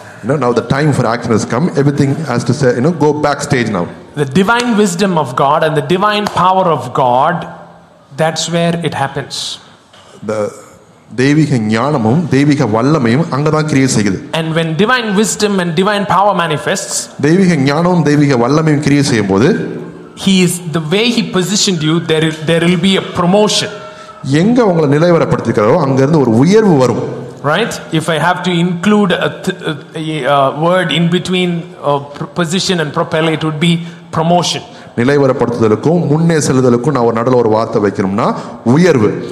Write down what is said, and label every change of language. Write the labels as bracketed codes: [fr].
[en] You know, now the time for action has come, everything has to say, you know, go backstage now. The divine wisdom of God and the divine power of God, that's where it happens. [ta] The தெய்வீக ஞானமும் தெய்வீக வல்லமையும் அங்கதான் கிரியை செய்யுது. [en] And when divine wisdom and divine power manifests, [ta] தெய்வீக ஞானமும் தெய்வீக வல்லமையும் கிரியை செய்யும் போது, [en] he is the way he positioned you, there will be a promotion. [ta] எங்க உங்களை நிலைவரப்படுத்திக்கிறாரோ அங்க இருந்து ஒரு உயர்வு வரும். [en] Right, if I have to include a word in between position and propel, it would be promotion. [ta] நிலைவரப்படுத்துதலுக்கும் முன்னே செல்லுதலுக்கும் நான் ஒரு நடுவில் ஒரு வார்த்தை வைக்கணும்னா உயர்வு.